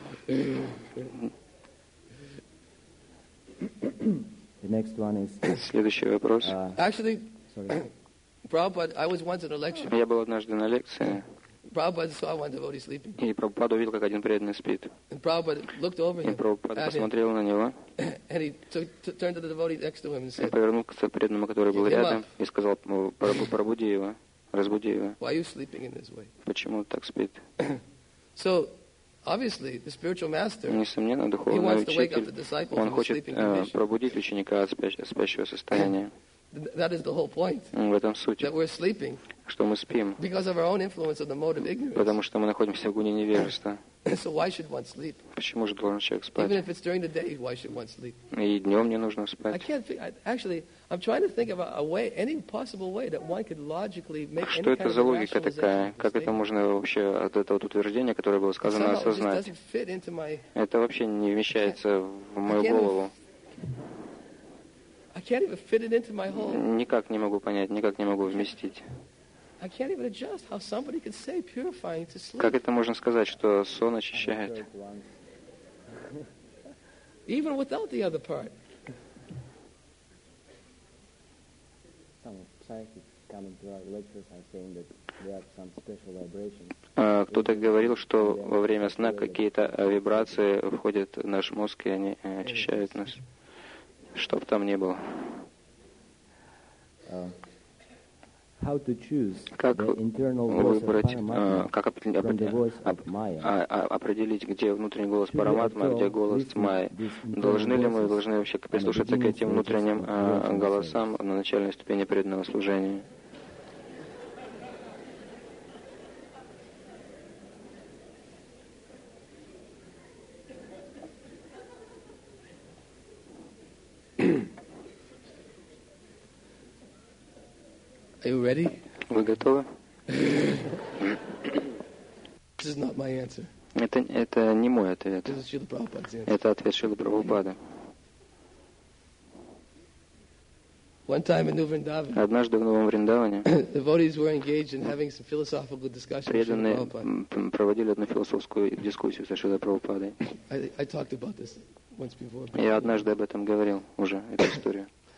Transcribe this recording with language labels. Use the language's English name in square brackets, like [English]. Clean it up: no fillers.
[English] The next one is. [Russian] Следующий вопрос. [English] Actually, Prabhupada, I was once in a lecture. [Russian] Я был однажды на лекции. [English] Prabhupada saw one devotee sleeping. [Russian] И Прабхупада увидел, как один преданный спит. [English] And Prabhupada looked over him. [Russian] И Прабхупада посмотрел на него. [English] And he turned to the devotee next to him and said. [Russian] И повернулся к преданному, который был рядом, и сказал: «Пробуди его, разбуди его». [English] Why are you sleeping in this way? [Russian] Почему так спит? [English] So, obviously, the spiritual master. [Russian] Несомненно, духовный учитель. Он хочет пробудить ученика от спящего состояния. [English] That is the whole point. [Russian] В этом суть. [English] That we're sleeping. [Russian] Что мы спим. [English] Because of our own influence of the mode of ignorance. [Russian] Потому что мы находимся в гуне невежества. [English] So why should one sleep? [Russian] Почему же должен человек спать? [English] Even if it's during the day, why should one sleep? [Russian] И днем не нужно спать. [English] I can't think, actually, I'm trying to think of a way, any possible way that one could logically make. [Russian] Что это за логика такая? Как это можно вообще от этого утверждения, которое было сказано, осознать? Это вообще не вмещается в мою голову. [English] I can't even fit it into my whole. [Russian] Никак не могу понять, никак не могу вместить. [English] I can't even adjust how somebody could say purifying to sleep. [Russian] Как это можно сказать, что сон очищает? [English] Even without the other part. Some psychics coming to our lectures are saying that there are some special vibrations. [Russian] Кто-то говорил, что во время сна какие-то вибрации входят в наш мозг, и они очищают нас. Что бы там ни было. How to choose как the internal voice выбрать, of Paramatma from the voice of Maya? Определить, где внутренний голос Параматмы, где голос Майи? Должны ли мы, должны вообще прислушаться к этим внутренним голосам на начальной ступени преданного служения? [English] Are you ready? [Russian] Вы готовы? [English] This is not my answer. [Russian] Это не мой ответ. [English] This is Srila Prabhupada's answer. [Russian] Это ответ Шрилы Прабхупады. [English] One time in New Vrindavan. [Russian] Однажды в Новом Вриндаване. [English] The devotees were engaged in having some philosophical discussion with Srila Prabhupada. [Russian] Проводили одну философскую дискуссию со Шрилой Прабхупадой. [English] I talked about this once before. [Russian] Я однажды об этом говорил уже эту историю.